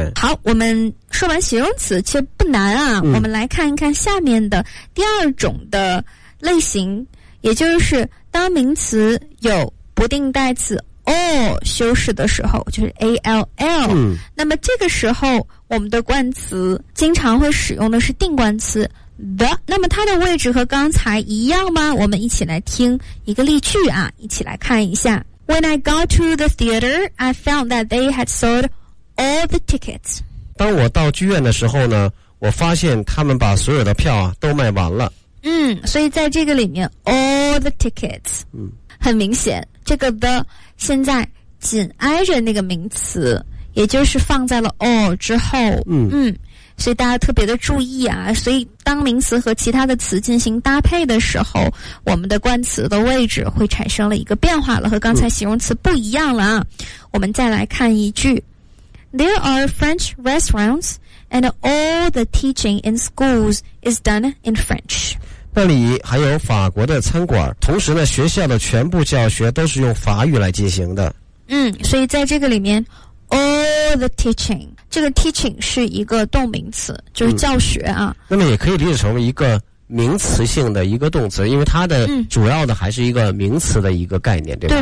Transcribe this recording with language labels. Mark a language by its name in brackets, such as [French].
[Chinese] 好，我们说完形容词其实不难啊、我们来看一看下面的第二种的类型，也就是当名词有不定代词 all 修饰的时候，就是 all、那么这个时候我们的冠词经常会使用的是定冠词的，那么它的位置和刚才一样吗？我们一起来听一个例句啊，一起来看一下。 [English] When I got to the theater, I found that they had sold all the tickets. [Chinese] 当我到剧院的时候呢，我发现他们把所有的票啊都卖完了。所以在这个里面 [English] all the tickets， [Chinese] 很明显这个的现在紧挨着那个名词，也就是放在了 all 之后。所以大家特别的注意啊，所以当名词和其他的词进行搭配的时候，我们的冠词的位置会产生了一个变化了，和刚才形容词不一样了啊。我们再来看一句。 [English] There are French restaurants and all the teaching in schools is done in French. [Chinese] 那里还有法国的餐馆，同时呢学校的全部教学都是用法语来进行的。所以在这个里面 [English] the teaching， [Chinese] 这个 teaching 是一个动名词，就是教学啊。那么也可以理解成为一个名词性的一个动词，因为它的主要的还是一个名词的一个概念，对吧？